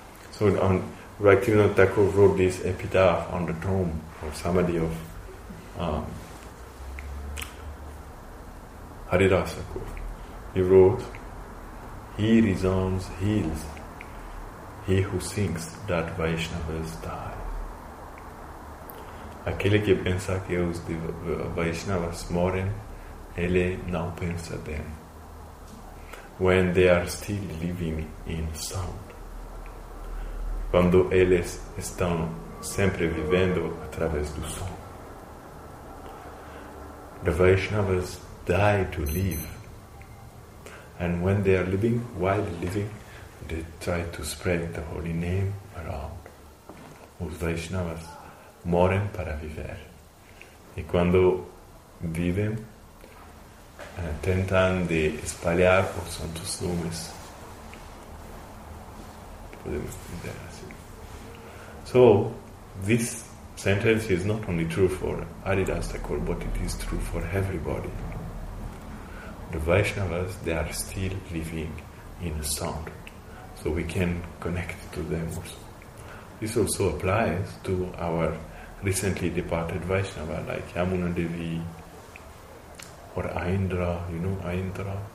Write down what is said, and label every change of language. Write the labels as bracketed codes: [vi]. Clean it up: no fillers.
[en] So on Bhaktivinoda Thakur wrote this epitaph on the tomb or samadhi of Haridasa Thakur. He wrote, "He resounds hills, he who sings that Vaishnavas die. [pt] Aquele que pensa que os Vaishnavas morrem, ele não pensa bem. [en] When they are still living in sound. [pt] Quando eles estão sempre vivendo através do som. [en] The Vaishnavas die to live. And when they are living, while living, they try to spread the holy name around. [pt] Os Vaishnavas morrem para viver. E quando vivem, tentam de espalhar os santos nomes." Podemos entender assim. [en] So, this sentence is not only true for Haridasa Thakur, but it is true for everybody. The Vaishnavas, they are still living in sound. So we can connect to them also. This also applies to our recently departed Vaishnava, like Yamuna Devi, or Aindra, you know Aindra?